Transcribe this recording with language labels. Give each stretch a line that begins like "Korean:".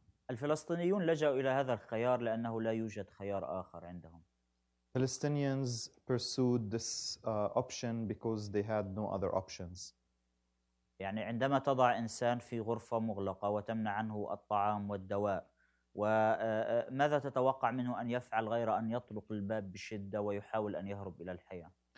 Arabic: الفلسطينيون لجأوا إلى هذا الخيار لأنه لا يوجد خيار آخر عندهم.
English: Palestinians pursued this option because they had no other options.
Arabic: يعني عندما تضع إنسان في غرفة مغلقة وتمنع عنه الطعام والدواء وماذا تتوقع منه أن يفعل غير أن يطرق الباب بشدة ويحاول أن يهرب إلى الحياة.